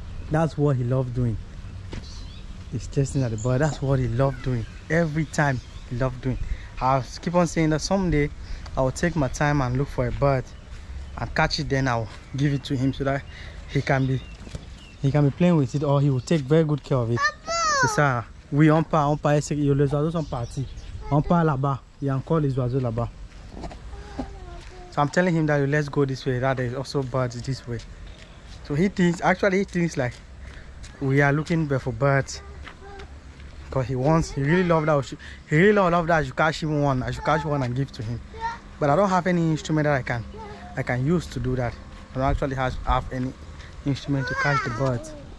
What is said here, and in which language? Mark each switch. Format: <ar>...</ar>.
<en>That's what he loves doing. He's chasing at the bird. That's what he loved doing. Every time he loved doing. I keep on saying that someday I'll take my time and look for a bird and catch it, then I'll give it to him so that he can be playing with it, or he will take very good care of it.</en> <fr>C'est ça. Oui, on part, c'est que les oiseaux sont partis. On part là-bas. Il y a encore les oiseaux là-bas.</fr> <en>So I'm telling him that let's go this way, that there's also birds this way. So he thinks like we are looking for birds. Because he really loved that I should catch him one. I should catch one and give to him. But I don't have any instrument that I can use to do that. I don't actually have any instrument to catch the birds.</en>